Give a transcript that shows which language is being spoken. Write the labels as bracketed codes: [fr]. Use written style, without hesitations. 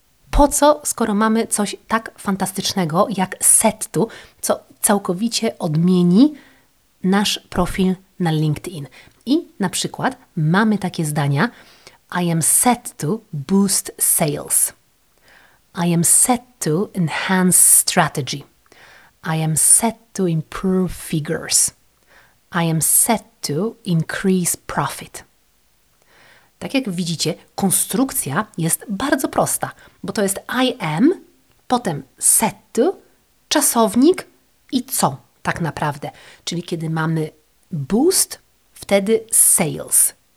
[pl] Po co, skoro mamy coś tak fantastycznego jak set to, co całkowicie odmieni nasz profil na LinkedIn? I na przykład mamy takie zdania: [en] I am set to boost sales. I am set to enhance strategy. I am set to improve figures. I am set to increase profit. [pl] Tak jak widzicie, konstrukcja jest bardzo prosta, bo to jest I am, potem set to, czasownik i co tak naprawdę. Czyli kiedy mamy boost, wtedy sales.